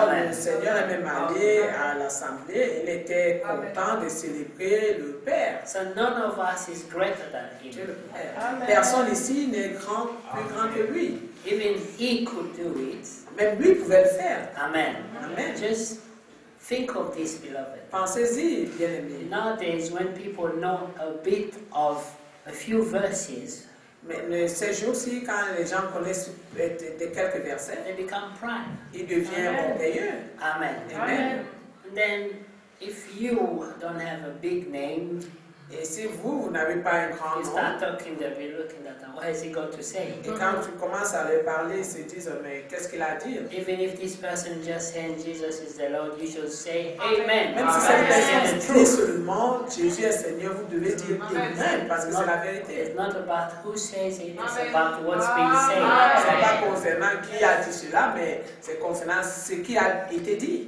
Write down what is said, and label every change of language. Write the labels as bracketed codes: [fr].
[fr] Amen. Le Seigneur est même allé à l'assemblée. Il était content de célébrer le Père. [en] So none of us is greater than him. [fr] Personne ici n'est grand, plus grand que lui. [en] Even he could do it. [fr] Même lui pouvait le faire. [en] Amen. Amen. Just think of this, beloved. [fr] Pensez-y, bien-aimé. [en] Nowadays, when people know a bit of a few verses. [fr] Mais ces jours-ci, quand les gens connaissent de quelques versets, [en] they become pride. [fr] Ils deviennent orgueilleux. [en] Amen. Amen. Then, if you don't have a big name, [fr] et si vous n'avez pas un grand [en] nom, you start talking to me, looking at them. What has he got to say? [fr] Et quand tu commences à leur parler, ils se disent, mais qu'est-ce qu'il a à dire? [en] Even if this person just saying Jesus is the Lord, you should say Amen. [fr] Même si cette personne dit seulement Jésus est Seigneur, vous devez dire Amen, parce que c'est la vérité. [en] It's not about who says it, it's about what's being said. [fr] C'est pas concernant qui a dit cela, mais c'est concernant ce qui a été dit.